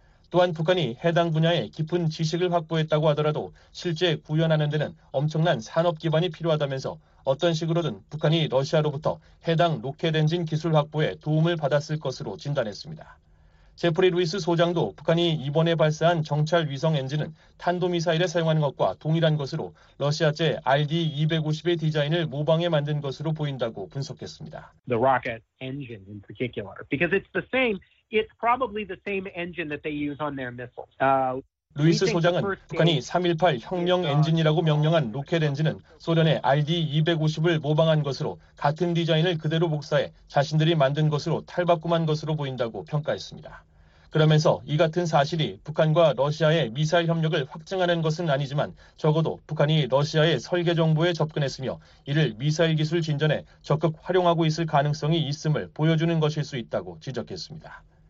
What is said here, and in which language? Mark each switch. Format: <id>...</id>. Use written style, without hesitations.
<ko>또한 북한이 해당 분야에 깊은 지식을 확보했다고 하더라도 실제 구현하는 데는 엄청난 산업 기반이 필요하다면서 어떤 식으로든 북한이 러시아로부터 해당 로켓 엔진 기술 확보에 도움을 받았을 것으로 진단했습니다. 제프리 루이스 소장도 북한이 이번에 발사한 정찰 위성 엔진은 탄도미사일에 사용하는 것과 동일한 것으로 러시아제 RD-250의 디자인을 모방해 만든 것으로 보인다고 분석했습니다.</ko> <en>The rocket engine in particular, because it's the same, it's probably the same engine that they use on their missiles.</en> <ko>루이스 소장은 북한이 3.18 혁명 엔진이라고 명령한 로켓 엔진은 소련의 RD-250을 모방한 것으로 같은 디자인을 그대로 복사해 자신들이 만든 것으로 탈바꿈한 것으로 보인다고 평가했습니다. 그러면서 이 같은 사실이 북한과 러시아의 미사일 협력을 확증하는 것은 아니지만 적어도 북한이 러시아의 설계 정보에 접근했으며 이를 미사일 기술 진전에 적극 활용하고 있을 가능성이 있음을 보여주는 것일 수 있다고 지적했습니다.</ko>